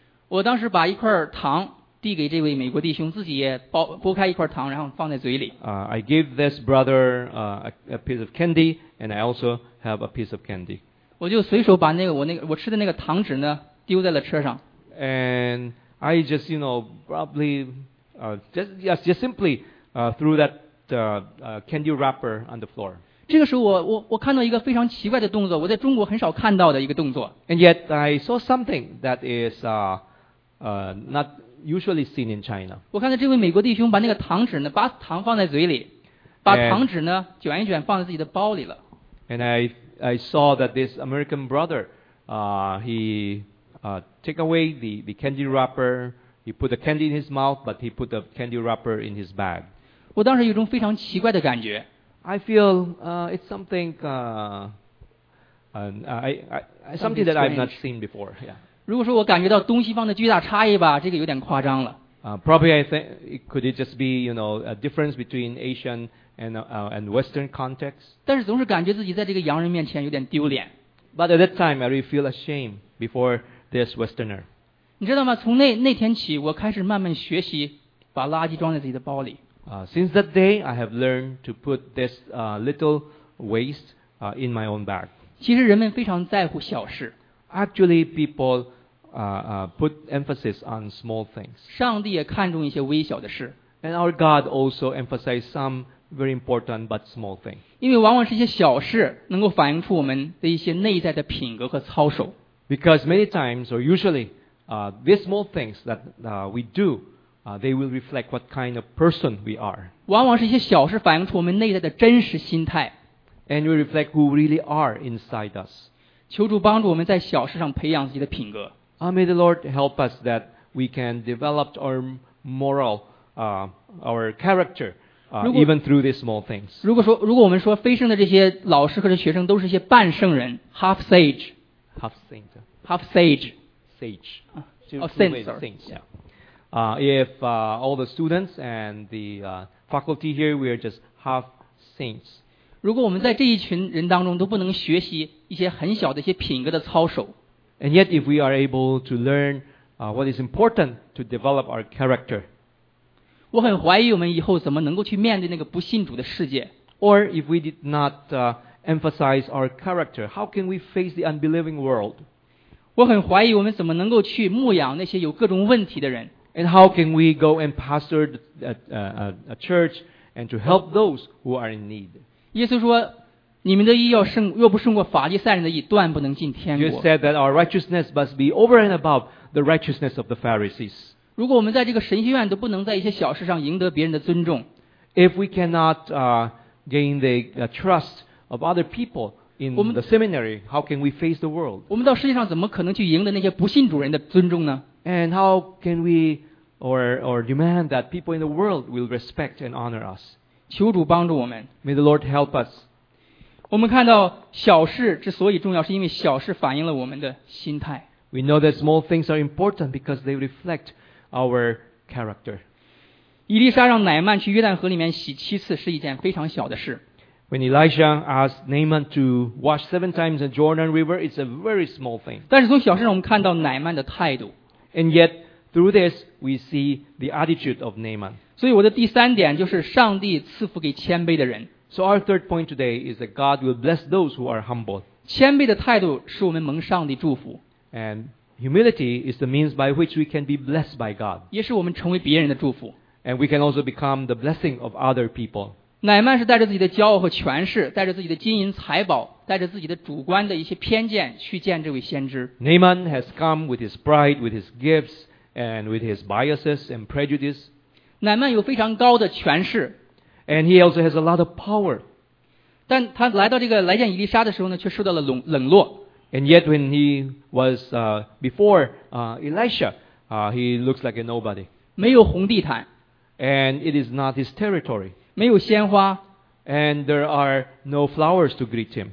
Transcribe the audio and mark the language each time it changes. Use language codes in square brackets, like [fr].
[zh] 我当时把一块糖递给这位美国弟兄，自己也剥开一块糖，然后放在嘴里。 [en] I gave this brother a piece of candy, and I also have a piece of candy. [zh] 我就随手把那个我吃的那个糖纸呢丢在了车上。 [en] And I just threw that candy wrapper on the floor. [zh] 这个时候我看到一个非常奇怪的动作，我在中国很少看到的一个动作。 [en] And yet I saw something that is not usually seen in China. [zh] 我看到这位美国弟兄把那个糖纸呢，把糖放在嘴里，把糖纸呢卷一卷放在自己的包里了。 [en] And I saw that this American brother, he take away the candy wrapper. He put the candy in his mouth, but he put the candy wrapper in his bag. [zh] 我当时有一种非常奇怪的感觉。 [en] I feel it's something strange. That I've not seen before. Yeah. [zh] 如果说我感觉到东西方的巨大差异吧，这个有点夸张了。 [en] Probably I think could it just be a difference between Asian and Western context? [zh] 但是总是感觉自己在这个洋人面前有点丢脸。 [en] But at that time, I really feel ashamed before this Westerner. [zh] 你知道吗？从那天起，我开始慢慢学习把垃圾装在自己的包里。 [en] Since that day, I have learned to put this little waste in my own bag. [zh] 其实人们非常在乎小事。 [en] Actually, people put emphasis on small things. [zh] 上帝也看重一些微小的事。 [en] And our God also emphasizes some very important but small things. [zh] 因为往往是一些小事能够反映出我们的一些内在的品格和操守。 [en] Because many times or usually, these small things that we do. They will reflect what kind of person we are. [zh] 往往是一些小事反映出我们内在的真实心态。 [en] And we reflect who we really are inside us. [zh] 求主帮助我们在小事上培养自己的品格。 [en] May the Lord help us that we can develop our moral, our character, even through these small things. [zh] 如果我们说非圣的这些老师或者学生都是一些半圣人 ， [en] half sage, half saint, half sage, sage, or saint, yeah. If all the students and the faculty here, we are just half saints. [zh] 如果我们在这一群人当中都不能学习一些很小的一些品格的操守 [en] ，and yet if we are able to learn what is important to develop our character, [zh] 我很怀疑我们以后怎么能够去面对那个不信主的世界。 [en] Or if we did not emphasize our character, how can we face the unbelieving world? [zh] 我很怀疑我们怎么能够去牧养那些有各种问题的人。 [en] And how can we go and pastor a church and to help those who are in need? [zh] 耶稣说，你们的义要胜，若不胜过法利赛人的义，断不能进天国。 [en] You said that our righteousness must be over and above the righteousness of the Pharisees. [zh] 如果我们在这个神学院都不能在一些小事上赢得别人的尊重 [en] ，If we cannot gain the trust of other people in the seminary, how can we face the world? [zh] 我们到世界上怎么可能去赢得那些不信主人的尊重呢？ [en] And how can we or demand that people in the world will respect and honor us? [zh] 求主帮助我们。 [en] May the Lord help us. [zh] 我们看到小事之所以重要，是因为小事反映了我们的心态。 [en] We know that small things are important because they reflect our character. [zh] 伊丽莎让乃曼去约旦河里面洗七次是一件非常小的事。 [en] When Elisha asked Naaman to wash seven times in the Jordan River, it's a very small thing. [zh] 但是从小事上我们看到乃曼的态度。 [en] And yet, through this, we see the attitude of Naaman. [zh] 所以我的第三点就是上帝赐福给谦卑的人。 [en] So our third point today is that God will bless those who are humble. [zh] 谦卑的态度使我们蒙上帝祝福。 [en] And Humility is the means by which we can be blessed by God. [zh] 也是我们成为别人的祝福。 [en] And we can also become the blessing of other people. [zh] 乃曼是带着自己的骄傲和权势，带着自己的金银财宝，带着自己的主观的一些偏见去见这位先知。 [en] Naaman has come with his pride, with his gifts, and with his biases and prejudice. [zh] 乃曼有非常高的权势。 [en] And he also has a lot of power. [zh] 但他来到这个来见伊丽莎的时候呢，却受到了冷落。 [en] And yet when he was before Elisha, he looks like a nobody. [zh] 没有红地毯。 [en] And it is not his territory. [zh] 没有鲜花。 [en] And there are no flowers to greet him.